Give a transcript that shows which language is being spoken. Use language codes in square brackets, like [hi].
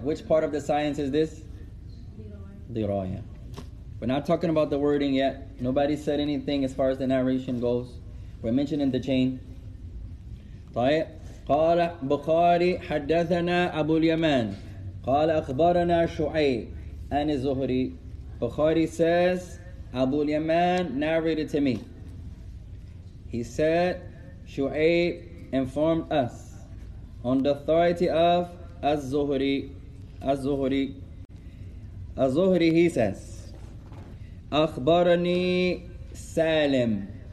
[en] Which part of the science is this? Diraya. We're not talking about the wording yet. Nobody said anything as far as the narration goes. We're mentioning the chain. طيب. [ar] قال بخاري حدثنا أبو اليمان. قال أخبرنا شعيب أن الزهري. [en] Bukhari says, Abu Yaman narrated to me. He said, Shu'aib informed us on the authority of Az-Zuhri. Az-Zuhri. Az-Zuhri, he says, [ar] Akhbarani [en] Salim.